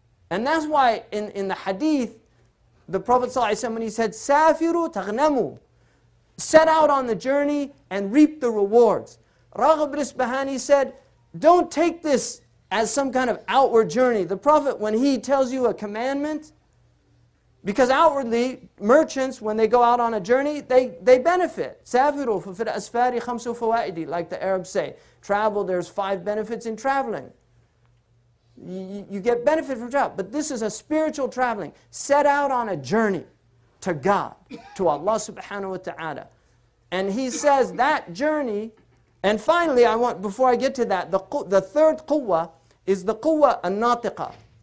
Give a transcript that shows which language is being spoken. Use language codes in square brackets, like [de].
[en] And that's why in the hadith, the Prophet ﷺ, when he said, [ar] سَافِرُوا تَغْنَمُوا, [en] set out on the journey and reap the rewards. Raghib al-Isbahani said, don't take this as some kind of outward journey. The Prophet, when he tells you a commandment, because outwardly, merchants, when they go out on a journey, they benefit. [ar] سَافِرُوا فَفِي الْأَسْفَارِ خَمْسُ فَوَائِدِ, [en] like the Arabs say. Travel, there's 5 benefits in traveling. You get benefit from travel. But this is a spiritual traveling. Set out on a journey to God, to Allah subhanahu wa ta'ala. And he says that journey. And finally, I want, before I get to that, the third quwwa is the quwwa an-natiqa.